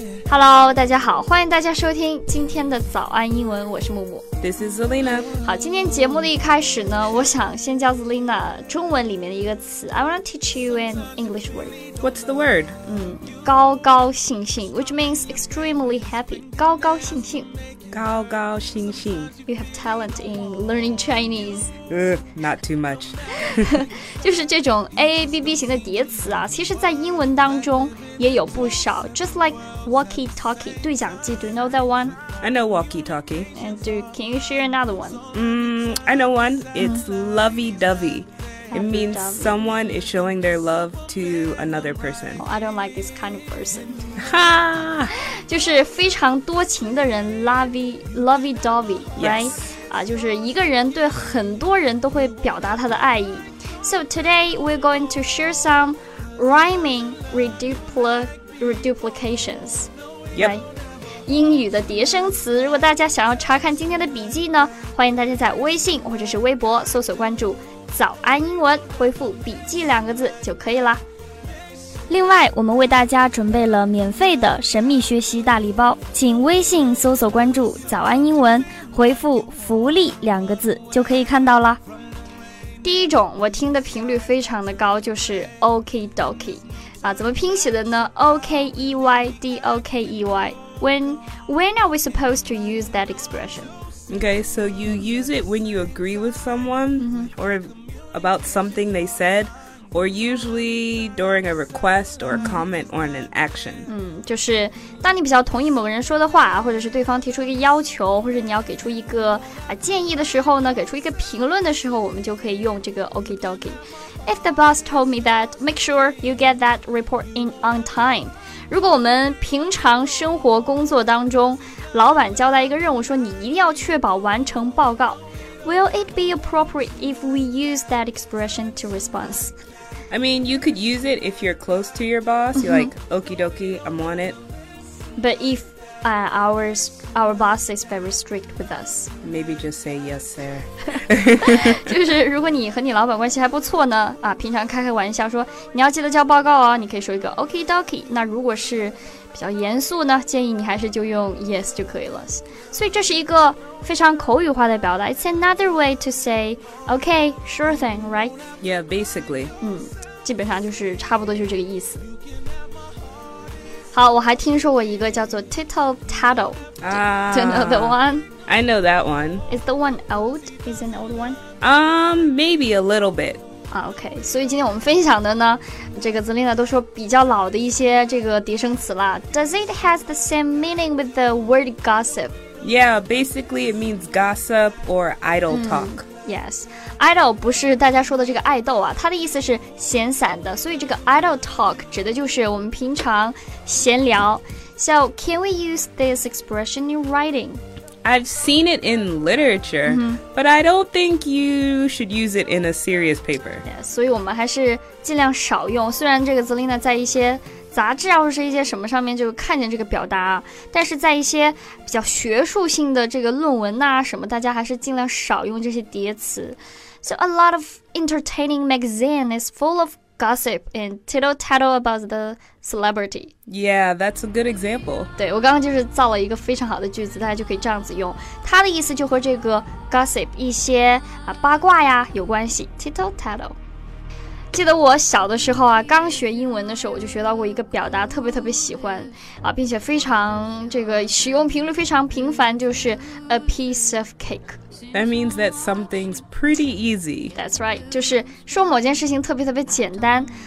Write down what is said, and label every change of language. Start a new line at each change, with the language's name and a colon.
Chinese: Hello, 大家好，欢迎大家收听今天的早安英文，我是木木。
English: This is Zelina.
Chinese: 好，今天节目的一开始呢，我想先教 Zelina 中文里面的一个词。
English: I want to teach you an English word. What's the word? 高高兴兴 which means extremely happy.
Chinese: 高高兴兴。高高兴兴。
English: You have talent in learning Chinese. Not too much.
Chinese: 就是这种 AABB 型的叠词啊，其实在英文当中也有不少。
English: Just like walkie-talkie, 对讲机 do you know that one? I know walkie-talkie. And can you share another one? I know one. It's lovey-dovey. It means someone is showing their love to another person. Oh, I don't like this kind of person. Ha!
Chinese: 就是非常多情的人 lovey-dovey, right?
English: Yes.
Chinese: 就是一个人对很多人都会表达他的爱意。
English: So today, we're going to share some rhyming reduplications. Yep. Right?
Chinese: 英语的叠声词，如果大家想要查看今天的笔记呢，欢迎大家在微信或者是微博搜索关注早安英文，回复笔记两个字就可以了。另外，我们为大家准备了免费的神秘学习大礼包，请微信搜索关注早安英文，回复福利两个字就可以看到了。第一种我听的频率非常的高，就是 okie dokie、怎么拼写的呢？
English: okiedokiewyWhen are we supposed to use that expression? Okay, so you use it when you agree with someone、 mm-hmm. or about something they said, or usually during a request or a comment、mm-hmm. or an action.、
Chinese: 就是当你比较同意某个人说的话，或者是对方提出一个要求，或者你要给出一个、建议的时候呢，给出一个评论的时候，我们就可以用这个 okie dokie.
English: If the boss told me that, make sure you get that report in on time.
Chinese: 如果我们平常生活工作当中老板交代一个任务说你一定要确保完成报告
English: Will it be appropriate if we use that expression to response? I mean, you could use it if you're close to your boss. You're like, okie dokie, I'm on it. But if、our boss is very strict with us. Maybe just say yes, sir.
Chinese: 就是如果你和你老板关系还不错呢、平常开开玩笑说你要记得交报告哦，你可以说一个 okie dokie。那如果是比较严肃呢，建议你还是就用 yes 就可以了。所以这是一个非常口语化的表达。
English: It's another way to say okay, sure thing, right? Yeah, basically.
Chinese: 基本上就是差不多就是这个意思。好，我还听说过一个叫做 tittle tattle、
English: do you know the one? I know that one. Is the one old? Is an old one? Maybe a little bit.
Chinese: Okay, 所以今天我们分享的呢，这个 Zelina 都说比较老的一些这个叠声词啦。
English: Does it have the same meaning with the word gossip? Yeah, basically it means gossip or idle talk.
Chinese: Yes, idle 不是大家说的这个爱豆啊，它的意思是闲散的，所以这个 idle talk 指的就是我们平常闲聊。
English: So, can we use this expression in writing? I've seen it in literature,、but I don't think you should use it in a serious paper.
Chinese: Yes, 所以我们还是尽量少用，虽然这个 Zelina 在一些杂志啊，或者是一些什么上面就看见这个表达、但是在一些比较学术性的这个论文啊什么，大家还是尽量少用这些叠词。
English: So a lot of entertaining magazine is full of gossip and tittle tattle about the celebrity. Yeah, that's a good example.
Chinese: 对，我刚刚就是造了一个非常好的句子，大家就可以这样子用。它的意思就和这个 gossip 一些、八卦呀有关系 ，tittle tattle。记得我小的时候啊，刚学英文的时候，我就学到过一个表达，特别特别喜欢啊，并且非常这个使用频率非常频繁，就是 a piece of cake.
English: That means that something's pretty easy. That's right,
Chinese: 就是说某件事情特别特别简单。